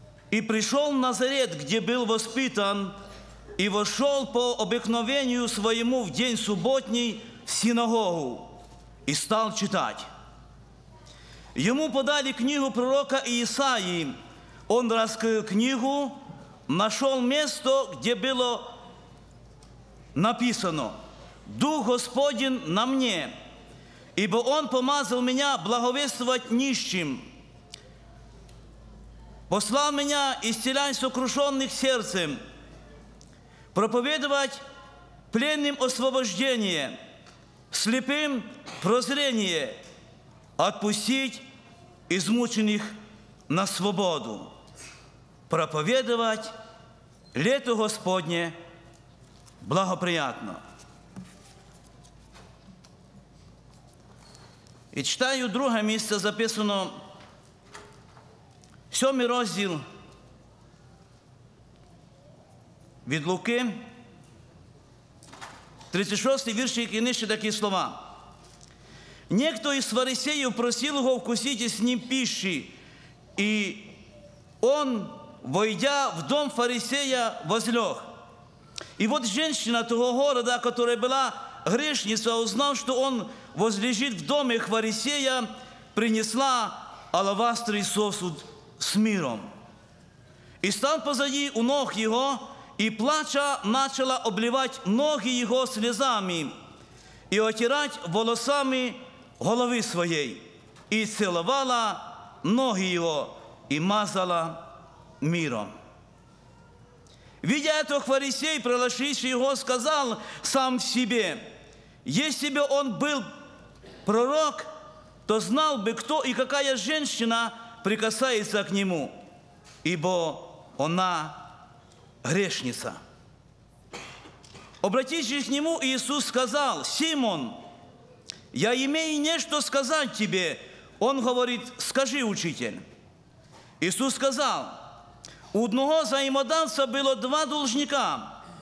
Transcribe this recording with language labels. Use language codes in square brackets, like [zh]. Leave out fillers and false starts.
[uk] «І прийшов Назарет, где був воспитан, і вошов по обикновенню своєму в день суботній в синагогу, і став читати. Йому подали книгу пророка Ісаї. [ru] Он раскрыл книгу, нашел место, где было написано: «Дух Господень на мне, ибо Он помазал меня благовествовать нищим, послал меня исцелять сокрушенных сердцем, проповедовать пленным освобождение, слепым прозрение, отпустить измученных на свободу». Проповедовать лето Господне благоприятно. [uk] І читаю друге місце, записано 7 розділ від Луки, 36 вірш, і нижче такі слова. Некто із фарисеїв просив його вкусити з ним піші, і он, [ru] войдя в дом фарисея, возлег. И вот женщина того города, которая была грешница, узнав, что он возлежит в доме фарисея, принесла алавастровый сосуд с миром. И стал позади у ног его, и плача начала обливать ноги его слезами и отирать волосами головы своей, и целовала ноги его и мазала миром. Видя этого, фарисей, приглашивший его, сказал сам себе: если бы он был пророк, то знал бы, кто и какая женщина прикасается к нему, ибо она грешница. Обратившись к нему, Иисус сказал: Симон, я имею нечто сказать тебе. Он говорит: скажи, учитель. Иисус сказал: у одного [uk] взаємодавця було [ru] два должника.